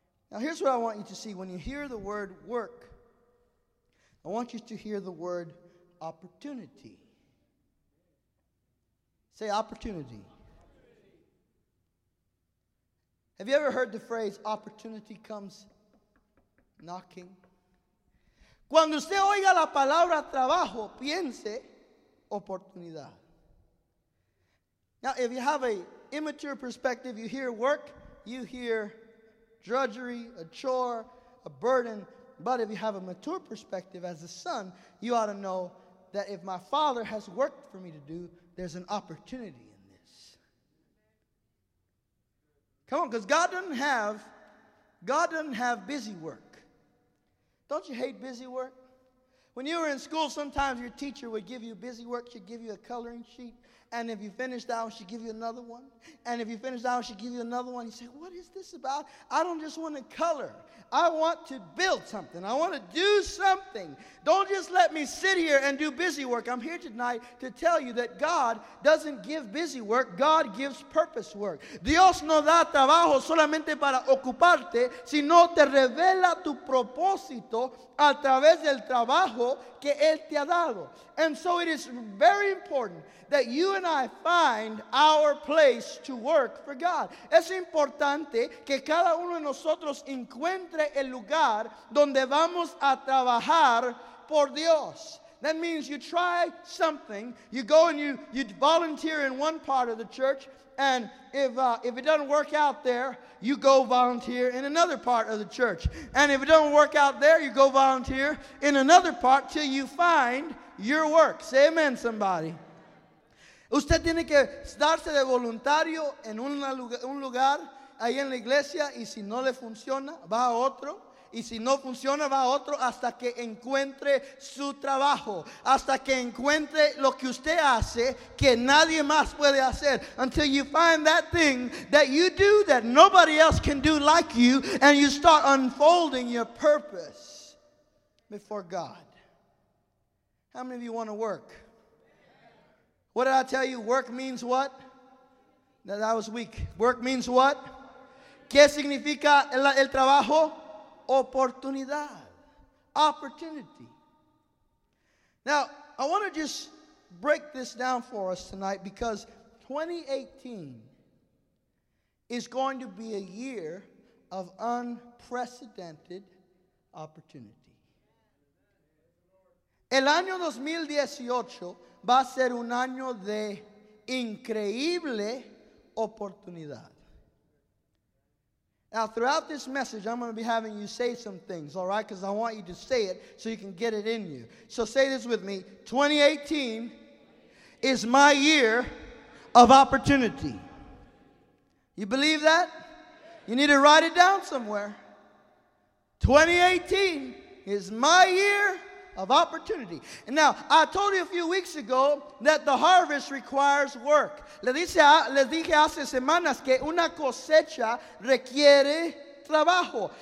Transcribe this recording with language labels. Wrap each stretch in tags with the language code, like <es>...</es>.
<en>Now here's what I want you to see. When you hear the word work, I want you to hear the word opportunity. Say opportunity. Have you ever heard the phrase opportunity comes knocking?</en> <es>Cuando usted oiga la palabra trabajo, piense oportunidad.</es> <en>Now if you have an immature perspective, you hear work, you hear drudgery, a chore, a burden. But if you have a mature perspective as a son, you ought to know that if my father has worked for me to do, there's an opportunity in this. Come on, because God doesn't have busy work. Don't you hate busy work? When you were in school, sometimes your teacher would give you busy work. She'd give you a coloring sheet. And if you finished that one, she'd give you another one. And if you finished that one, she'd give you another one. You say, what is this about? I don't just want to color. I want to build something. I want to do something. Don't just let me sit here and do busy work. I'm here tonight to tell you that God doesn't give busy work. God gives purpose work.</en> <es>Dios no da trabajo solamente para ocuparte, sino te revela tu propósito a través del trabajo que Él te ha dado.</es> <en>And so it is very important that you and I find our place to work for God.</en> <es>Es importante que cada uno de nosotros encuentre el lugar donde vamos a trabajar por Dios.</es> <en>That means you try something, you go and you volunteer in one part of the church, and if it doesn't work out there, you go volunteer in another part of the church. And if it doesn't work out there, you go volunteer in another part till you find your work. Say amen, somebody.</en> <es>Usted tiene que darse de voluntario en un lugar ahí en la iglesia, y si no le funciona, va a otro. Y si no funciona, va a otro hasta que encuentre su trabajo. Hasta que encuentre lo que usted hace que nadie más puede hacer.</es> <en>Until you find that thing that you do that nobody else can do like you, and you start unfolding your purpose before God. How many of you want to work? What did I tell you? Work means what? That was weak. Work means what?</en> <es>¿Qué significa el trabajo? Oportunidad. Opportunity.</es> <en>Now, I want to just break this down for us tonight, because 2018 is going to be a year of unprecedented opportunity.</en> <es>El año 2018 va a ser un año de increíble oportunidad.</es> <en>Now, throughout this message, I'm going to be having you say some things, all right? Because I want you to say it so you can get it in you. So say this with me. 2018 is my year of opportunity. You believe that? You need to write it down somewhere. 2018 is my year of opportunity. And now, I told you a few weeks ago that the harvest requires work.</en> <es>Les dije hace semanas que una cosecha requiere trabajo.</es>